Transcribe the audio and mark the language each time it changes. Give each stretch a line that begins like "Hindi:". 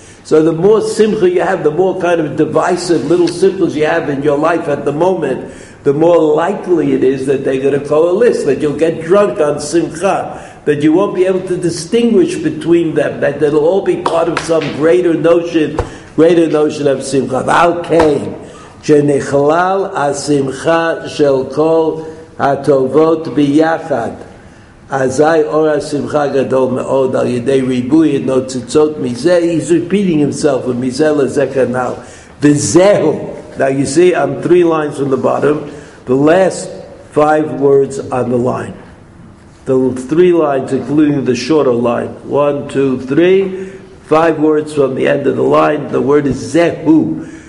English: So the more simcha you have, the more kind of divisive little simchas you have in your life at the moment, the more likely it is that they're going to coalesce, that you'll get drunk on simcha, that you won't be able to distinguish between them, that it'll all be part of some greater notion of simcha.
Hebrew: V'al kein, שנכלל השמחה של כל הטובות ביחד, אזי אור השמחה גדול מאוד על ידי ריבוי נוצצות מזה.
English: He's repeating himself from
Hebrew: מזה לזה כנל. וזהו.
English: Now you see, I'm three lines from the bottom. The last five words on the line. The three lines, including the shorter line. One, two, three. Five words from the end of the line. The word is zehu.